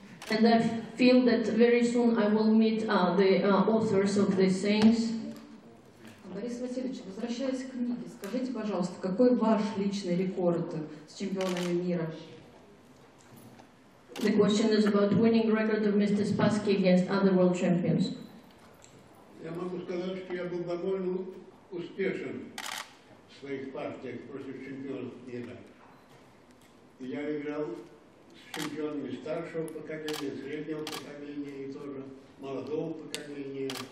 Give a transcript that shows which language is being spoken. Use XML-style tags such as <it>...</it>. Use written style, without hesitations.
<en>And I feel that very soon I will meet the authors of these things.</en> <ru>Борис Васильевич, возвращаясь к книге, скажите, пожалуйста, какой ваш личный рекорд с чемпионами мира?</ru> <en>The question is about winning record of Mr. Spassky against other world champions.</en> <ru>Я могу сказать, что я был довольно успешен в своих партиях против чемпионов мира. Я играл с чемпионами старшего поколения, среднего поколения и тоже молодого поколения.</ru>